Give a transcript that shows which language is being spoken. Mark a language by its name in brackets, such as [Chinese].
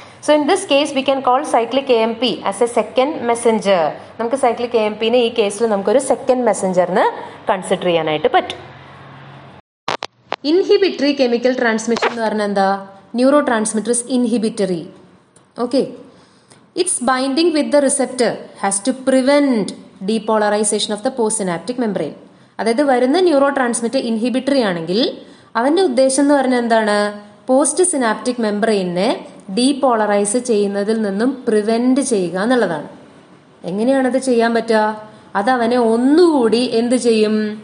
[English] So in this case we can call cyclic AMP as a second messenger. [Malayalam] നമുക്ക് cyclic AMP നെ ഈ കേസിൽ നമുക്ക് ഒരു സെക്കൻഡ് മെസ്സഞ്ചർന്ന് കൺസിഡർ ചെയ്യാനായിട്ട് പറ്റും. ഇൻഹിബിറ്ററി കെമിക്കൽ ട്രാൻസ്മിഷൻ എന്ന് പറഞ്ഞാൽ എന്താ? Neuro transmitter inhibitory. Okay, [English] Its binding with the receptor has to prevent depolarization of the postsynaptic membrane. [Malayalam] അതായത് വരുന്ന ന്യൂറോ ട്രാൻസ്മിറ്റർ ഇൻഹിബിറ്ററി ആണെങ്കിൽ അവന്റെ ഉദ്ദേശം എന്ന് പറഞ്ഞ എന്താണ്? പോസ്റ്റ് സിനാപ്റ്റിക് മെംബ്രെയിനെ ഡീപോളറൈസ് ചെയ്യുന്നതിൽ നിന്നും പ്രിവെന്റ് ചെയ്യുക എന്നുള്ളതാണ്. എങ്ങനെയാണത് ചെയ്യാൻ പറ്റുക? അത് അവനെ ഒന്നുകൂടി എന്ത് ചെയ്യും?